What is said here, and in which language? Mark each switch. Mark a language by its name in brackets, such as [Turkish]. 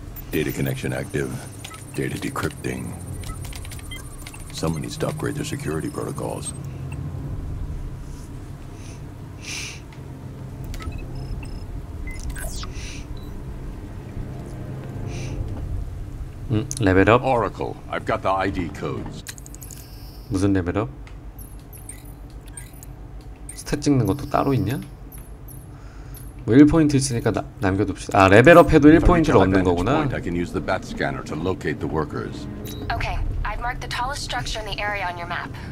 [English] Data connection active. Data decrypting. Someone needs to upgrade their security protocols. [Korean] 레벨업. [English] Oracle, I've got the ID codes. [Korean] 무슨 레벨업? 스탯 찍는 것도 따로 있냐? 뭐 1포인트 있으니까 남겨둡시다. 아, 레벨업 해도 1포인트를 얻는 거구나. [English] I can use the bat scanner to locate the workers. Okay. I've marked the tallest structure in the area on your map.